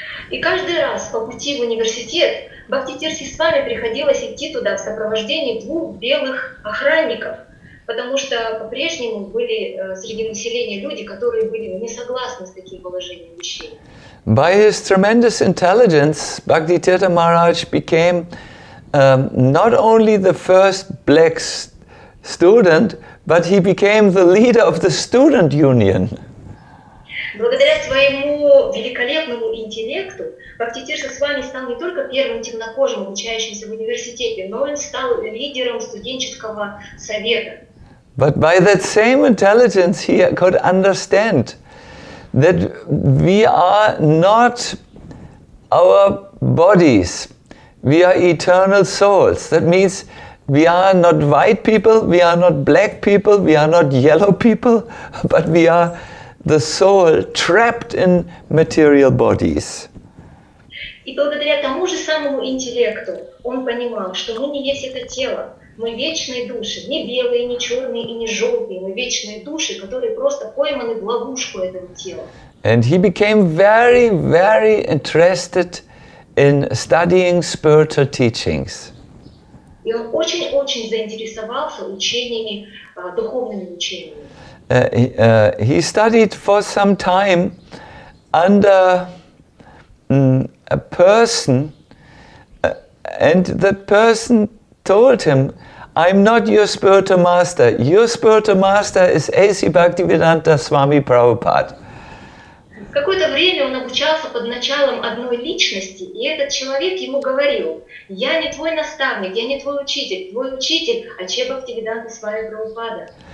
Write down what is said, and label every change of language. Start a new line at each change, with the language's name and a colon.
Russian: И каждый раз по пути в университет Бхактисиддхи Свами приходилось идти туда в сопровождении двух белых охранников, потому что по-прежнему были среди населения люди, которые были не согласны с таким положением вещей.
English: By his tremendous intelligence, Bhaktisiddhanta Maharaj became not only the first black student, but he became the leader of the student union.
Russian: Благодаря своему великолепному интеллекту, Бхактисиддхи Свами стал не только первым темнокожим обучающимся в университете, но он стал лидером студенческого совета.
English: But by that same intelligence, he could understand that we are not our bodies, we are eternal souls. That means we are not white people, we are not black people, we are not yellow people, but we are the soul trapped in material bodies.
Russian: И благодаря тому же самому интеллекту он понимал, что мы не есть это тело, мы вечные души, не белые, не черные и не желтые. Мы вечные души, которые просто пойманы в ловушку этого тела.
English: And he became very, very interested in studying spiritual teachings.
Russian: И он очень-очень заинтересовался учениями, духовными учениями.
English: He studied for some time under a person, and that person told him, I'm not your spiritual master. Your spiritual master is A.C. Bhaktivedanta Swami Prabhupada.
Russian: Какое-то время он обучался под началом одной личности, и этот человек ему говорил, я не твой наставник, я не твой учитель. Твой учитель – Ачхе Бхактивиданта Свами Прабхупада.